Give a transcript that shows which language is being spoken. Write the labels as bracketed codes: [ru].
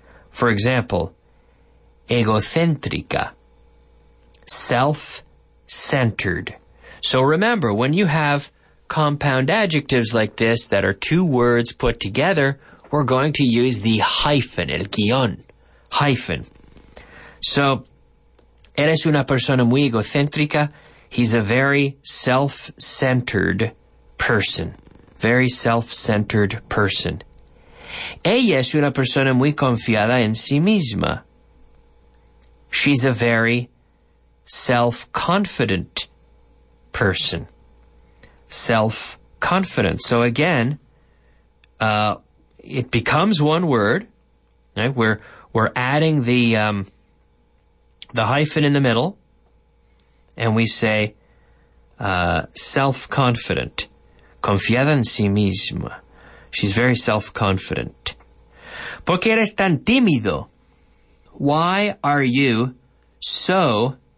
[en] For example, egocéntrica, self-centered. So remember, when you have compound adjectives like this that are two words put together, we're going to use the hyphen, [es] el guión, [en] hyphen. So, [es] eres una persona muy egocéntrica. [en] He's a very self-centered person. Very self-centered person. [es] Ella es una persona muy confiada en sí misma. [en] She's a very self-confident person. Self-confident. So again, it becomes one word, right? We're adding the hyphen in the middle, and we say self-confident. [es] Confiada en sí misma. [en] She's very self-confident. [es] ¿Por qué eres tan tímido? [en] Why are you so